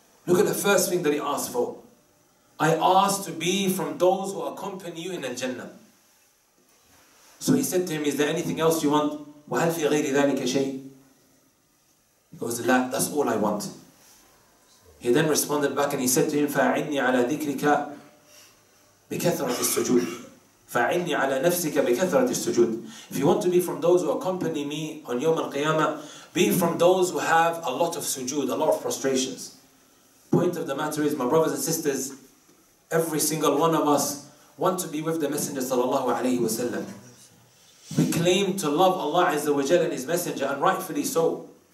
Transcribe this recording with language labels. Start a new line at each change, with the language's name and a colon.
English: Look at the first thing that he asked for. I ask to be from those who accompany you in the Jannah. So he said to him, is there anything else you want?
Arabic: وَهَلْ فِي غَيْرِ ذَلِكَ شَيْءٍ.
English: He goes, لا, that's all I want. He then responded back and he said to him,
Arabic: فَأَعِنِّي عَلَى ذِكْرِكَ بكثرة السجود. فعني على نفسك بكثرة السجود.
English: If you want to be from those who accompany me on يوم القيامة, be from those who have a lot of sujood, a lot of prostrations. Point of the matter is, my brothers and sisters, every single one of us want to be with the Messenger sallallahu alayhi wa sallam. We claim to love Allah Azza wa Jalla and His Messenger, and rightfully so.